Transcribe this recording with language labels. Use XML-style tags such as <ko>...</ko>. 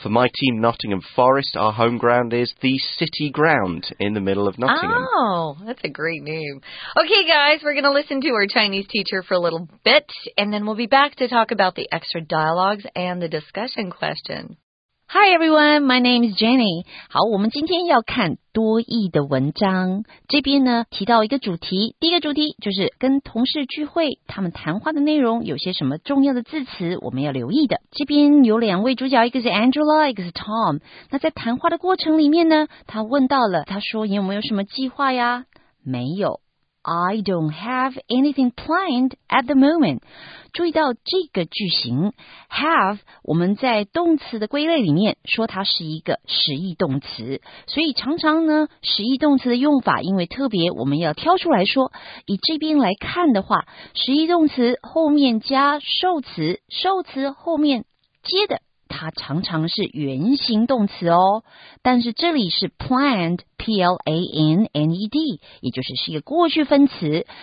<en>For my team, Nottingham Forest, our home ground is the City Ground in the middle of Nottingham. Oh, that's a great name. Okay, guys, we're going to listen to our Chinese teacher for a little bit, and then we'll be back to talk about the extra dialogues and the discussion question. Hi, everyone. My name is Jenny.</en> <zh>好，我们今天要看多义的文章。这边呢，提到一个主题。第一个主题就是跟同事聚会，他们谈话的内容有些什么重要的字词我们要留意的。这边有两位主角，一个是 Angela， 一个是 Tom。那在谈话的过程里面呢，他问到了，他说你有没有什么计划呀？没有。</zh> <en>I don't have anything planned at the moment.</en> <zh>注意到这个句型 have, 我们在动词的归类里面说它是一个实义动词。所以常常呢实义动词的用法因为特别我们要挑出来说，以这边来看的话，实义动词后面加受词，受词后面接的它常常是原形动词哦，但是这里是 planned, P-L-A-N-N-E-D, 也就是一个过去分词。</zh>